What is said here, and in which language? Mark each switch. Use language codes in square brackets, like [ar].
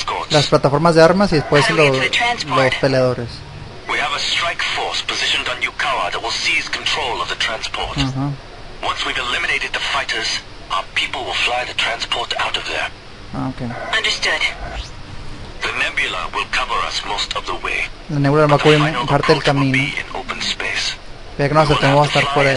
[es] Las plataformas de armas y después los peleadores. [en] We have a strike force positioned on Yukawa that will seize control of the transport. Uh-huh. Once we've eliminated the fighters, our people will fly the transport out of there. Okay. Understood. The nebula will cover us most of the way. [es] La nebula va a cubrir parte del camino. Ya que nos acercamos a estar por el